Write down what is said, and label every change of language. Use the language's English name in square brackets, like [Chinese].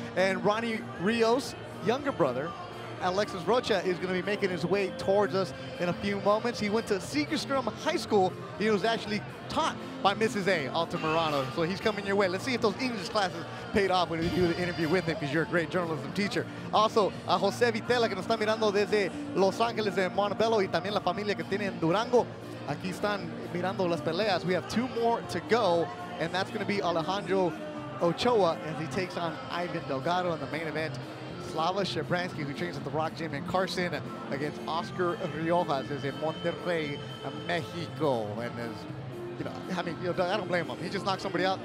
[English] And Ronnie Rios' younger brother, Alexis Rocha, is going to be making his way towards us in a few moments. He went to Seagerstrom High School. He was actually taught by Mrs. A. Altamirano. So he's coming your way. Let's see if those English classes paid off when we do the interview with him, because you're a great journalism teacher. [Spanish] Also, a Jose Vitella, que nos está mirando desde Los Angeles en Montebello, y también la familia que tiene en Durango. Aquí están mirando las peleas. [English] We have two more to go, and that's going to be Alejandro Ochoa as he takes on Ivan Delgado in the main event. Slava Shabransky, who trains at the Rock Gym in Carson, against Oscar Riojas is in Monterrey, Mexico. And is, I don't blame him. He just knocks somebody out.